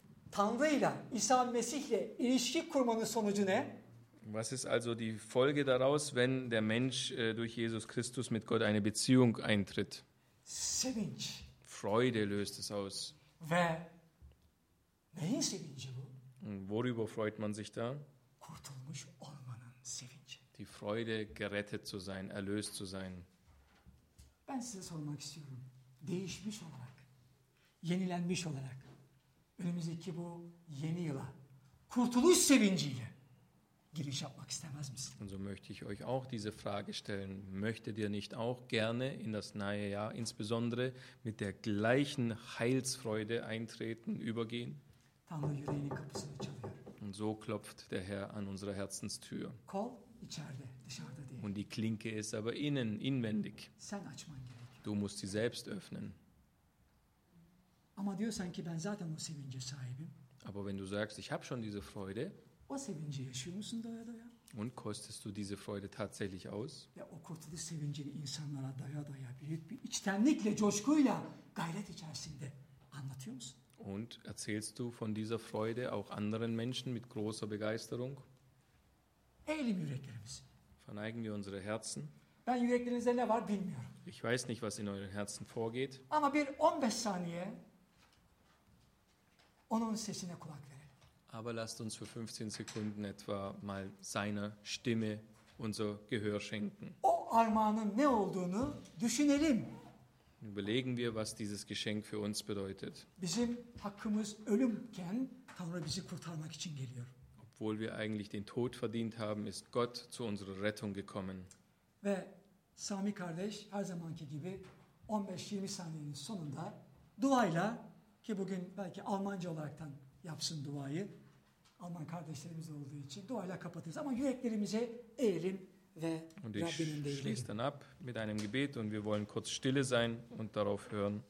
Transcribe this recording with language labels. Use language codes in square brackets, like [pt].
[tr] Tanrı'yla, İsa Mesih'le ilişki kurmanın sonucu ne? [de] Was ist also die Folge daraus, wenn der Mensch durch Jesus Christus mit Gott eine Beziehung eintritt? [tr] Sevinç. [de] Freude löst es aus. [tr] Ve neyin sevinci bu? [de] Worüber freut man sich da? [tr] Kurtulmuş olmanın sevinci. [de] Die Freude, gerettet zu sein, erlöst zu sein. [tr] Ben size sormak istiyorum. Değişmiş olarak, yenilenmiş olarak, önümüzdeki bu yeni yıla, kurtuluş sevinciyle giriş yapmak istemez misin? [de] Und so möchte ich euch auch diese Frage stellen. Möchtet ihr nicht auch gerne in das neue Jahr, insbesondere mit der gleichen Heilsfreude eintreten, übergehen? [tr] Tanrı yüreğinin kapısını çalıyor. [de] Und so klopft der Herr an unsere Herzenstür. [tr] Kol içeride, dışarıda değil. [de] Und die Klinke ist aber innen, inwendig. [tr] Sen açman gerekiyor. [de] Du musst sie selbst öffnen. [tr] Ama diyorsan ki ben zaten o sevince sahibim. [de] Aber wenn du sagst, ich habe schon diese Freude, [tr] o sevinci yaşıyor musun doya doya? [de] Und kostest du diese Freude tatsächlich aus? [tr] Ya o kurtuluş sevincini insanlara doya doya büyük bir içtenlikle, coşkuyla, gayret içerisinde anlatıyor musun? [de] Und erzählst du von dieser Freude auch anderen Menschen mit großer Begeisterung? [tr] Eğelim yüreklerimizi. [de] Verneigen wir unsere Herzen. [tr] Ben yüreklerinizde ne var bilmiyorum. [de] Ich weiß nicht, was in euren Herzen vorgeht. [tr] Ama bir 15 saniye onun sesine kulak verin. [de] Aber lasst uns für 15 Sekunden etwa mal seiner Stimme unser Gehör schenken. [tr] O armağanın ne olduğunu düşünelim. [de] Überlegen wir, was dieses Geschenk für uns bedeutet. [tr] Bizim hakkımız ölümken Tanrı bizi kurtarmak için geliyor. [de] Obwohl wir eigentlich den Tod verdient haben, ist Gott zu unserer Rettung gekommen. [tr] Ve Sami kardeş her zamanki gibi 15-20 saniyenin sonunda duayla, ki bugün belki Almanca olaraktan yapsın duayı. Alman kardeşlerimiz olduğu için duayla kapatırız ama yüreklerimize eğelim ve Rabbinin deyelim. [de] Und ich schließe dann ab mit einem Gebet und wir wollen kurz stille sein und darauf hören.